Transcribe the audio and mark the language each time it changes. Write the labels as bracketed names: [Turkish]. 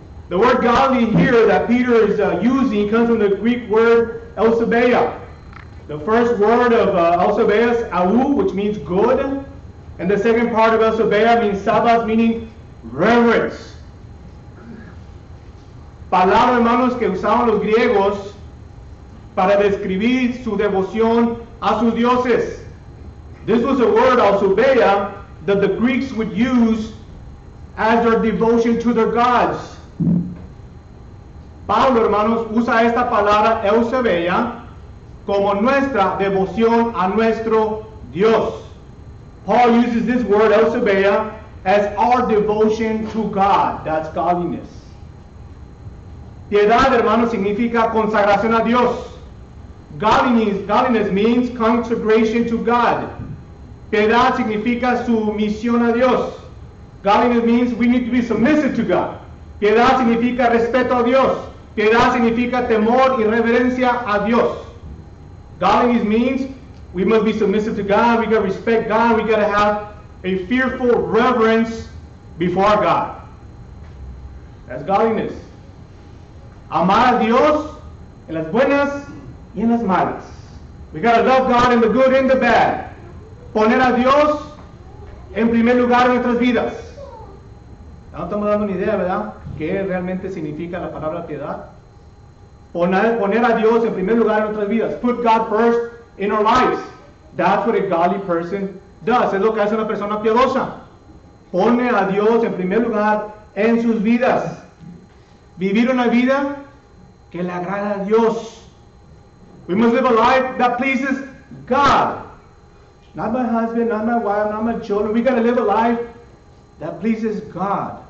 [English] The word godly here that Peter is using comes from the Greek word eusebeia. The first word of eusebeia is au, which means good. And the second part of Elzebea means Sabbath, meaning reverence. [Spanish] Palabras, hermanos, que usaban los griegos para describir su devoción a sus dioses. [English] This was a word, Elzebea, that the Greeks would use as their devotion to their gods. [Spanish] Pablo, hermanos, usa esta palabra, Elzebea, como nuestra devoción a nuestro Dios. [English] Paul uses this word, eusebeia, as our devotion to God. That's godliness. [Spanish] Piedad, hermano, significa consagración a Dios. [English] Godliness means consecration to God. [Spanish] Piedad significa sumisión a Dios. [English] Godliness means we need to be submissive to God. [Spanish] Piedad significa respeto a Dios. Piedad significa temor y reverencia a Dios. [English] Godliness means we must be submissive to God, we got to respect God, we got to have a fearful reverence before our God. That's godliness. [Spanish] Amar a Dios en las buenas y en las malas. [English] We got to love God in the good and the bad. [Spanish] Poner a Dios en primer lugar en nuestras vidas. Ya no estamos dando ni idea, ¿verdad? ¿Qué realmente significa la palabra piedad? Poner a Dios en primer lugar en nuestras vidas. [English] Put God first in our lives. That's what a godly person does. [Spanish] Es lo que hace una persona piadosa. Pone a Dios en primer lugar en sus vidas. Vivir una vida que le agrada a Dios. [English] We must live a life that pleases God. Not my husband, not my wife, not my children. We gotta live a life that pleases God.